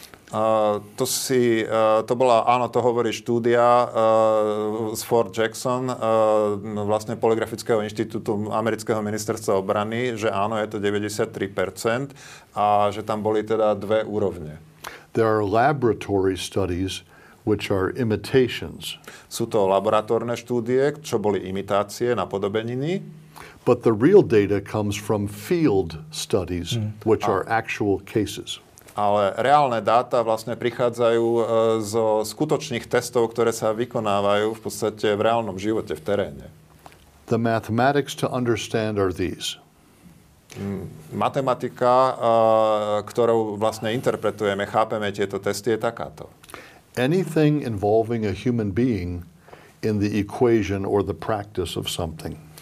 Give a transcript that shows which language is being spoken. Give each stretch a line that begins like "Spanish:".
Slovak: To hovorí štúdia z Fort Jackson, vlastne Polygrafického inštitútu amerického ministerstva obrany, že áno, je to 93% a že tam boli teda dve úrovne.
English: There are laboratory studies which are imitations.
Slovak: Sú to laboratórne štúdie, čo boli imitácie, napodobeniny.
English: But the real data comes from field studies, which are actual cases.
Slovak: Ale reálne dáta vlastne prichádzajú zo skutočných testov, ktoré sa vykonávajú v podstate v reálnom živote, v teréne.
English: The mathematics to understand are these.
Slovak: Matematika, ktorou vlastne interpretujeme, chápeme tieto testy, je takáto.
English: Anything involving a human being in the equation or the practice of something.